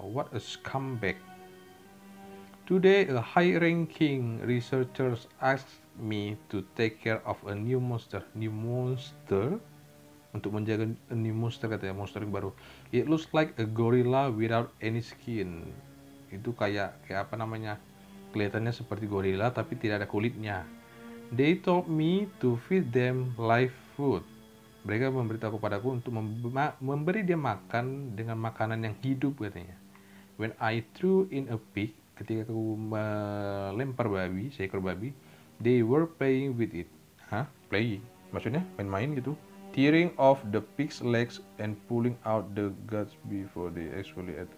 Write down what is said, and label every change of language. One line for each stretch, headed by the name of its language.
English: What a scumbag. Today a high ranking researcher asked me to take care of a new monster.
Indonesian: New monster? Untuk menjaga
English: a new monster
Indonesian: katanya. Monster yang baru.
English: It looks like a gorilla without any skin.
Indonesian: Itu kayak apa namanya. Kelihatannya seperti gorila tapi tidak ada kulitnya.
English: They told me to feed them live food.
Indonesian: Mereka memberitahu padaku untuk memberi dia makan dengan makanan yang hidup katanya.
English: When I threw in a pig,
Indonesian: ketika aku melempar babi, seekor babi,
English: they were playing with it. Hah? Playing?
Indonesian: Maksudnya main-main gitu?
English: Tearing off the pig's legs and pulling out the guts before they actually ate.